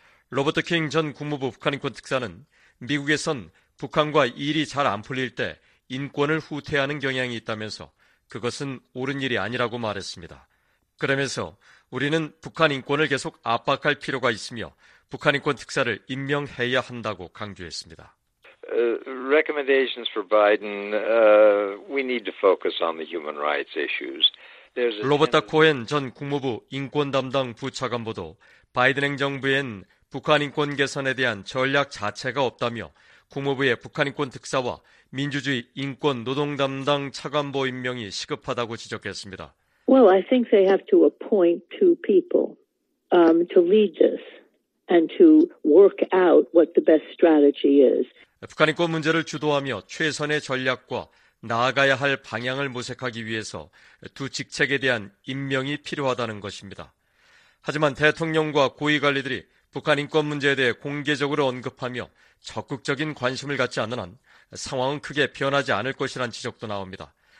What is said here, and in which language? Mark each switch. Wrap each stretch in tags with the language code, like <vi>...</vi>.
<ko>로버트 킹 전 국무부 북한인권 특사는 미국에선 북한과 일이 잘 안 풀릴 때 인권을 후퇴하는 경향이 있다면서 그것은 옳은 일이 아니라고 말했습니다. 그러면서 우리는 북한 인권을 계속 압박할 필요가 있으며 북한인권 특사를 임명해야 한다고 강조했습니다.</ko> <en>Recommendations for Biden. We need to focus on the human rights issues.</en> <ko>로버타 코헨 전 국무부 인권 담당 부차관보도 바이든 행정부엔 북한 인권 개선에 대한 전략 자체가 없다며 국무부의 북한 인권 특사와 민주주의 인권 노동 담당 차관보 임명이 시급하다고 지적했습니다.</ko> <en>Well, I think they have to appoint two people to lead this and to work out what the best strategy is.</en> <ko>북한 인권 문제를 주도하며 최선의 전략과 나아가야 할 방향을 모색하기 위해서 두 직책에 대한 임명이 필요하다는 것입니다. 하지만 대통령과 고위 관리들이 북한 인권 문제에 대해 공개적으로 언급하며 적극적인 관심을 갖지 않는 한 상황은 크게 변하지 않을 것이란 지적도 나옵니다.</ko>